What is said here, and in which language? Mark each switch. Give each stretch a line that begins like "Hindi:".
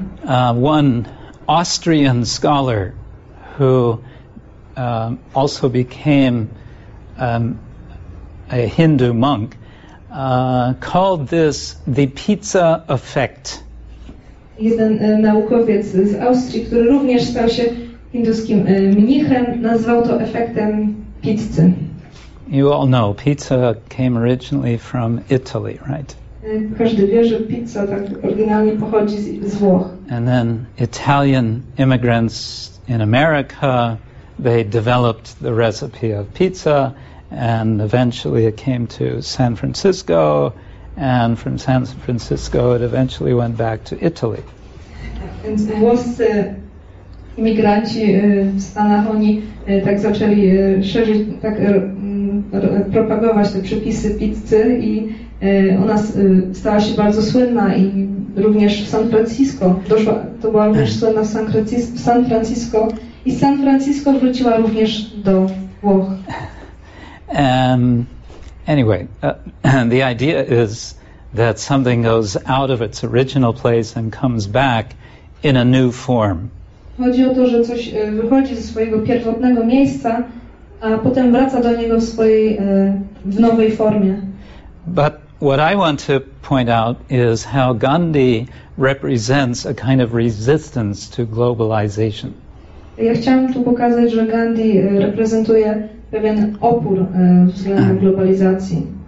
English: One Austrian scholar who also became a Hindu monk called this the pizza effect.
Polish: Jeden naukowiec z Austrii, który również stał się hinduskim mnichem, nazwał to efektem pizzy.
English: You all know pizza came originally from Italy, right?
Polish: Każdy wie, że pizza tak oryginalnie pochodzi z Włoch.
English: And then Italian immigrants in America, they developed the recipe of pizza, and eventually it came to San Francisco, and from San Francisco it eventually went back to Italy.
Polish: Więc włoscy imigranci w Stanach, oni tak zaczęli szerzyć, tak propagować te przepisy pizzy, i ona stała się bardzo słynna, i również w San Francisco doszła, to była również słynna w San Francisco, i San Francisco wróciła również do Włoch.
English: Anyway, the idea is that something goes out of its original place and comes back in a new form.
Polish: Chodzi o to, że coś wychodzi ze swojego pierwotnego miejsca, a potem wraca do niego w swojej w nowej formie.
English: But what I want to point out is how Gandhi represents a kind of resistance to globalization.
Polish: Ja chciałam tu pokazać, że Gandhi reprezentuje pewien opór względem globalizacji.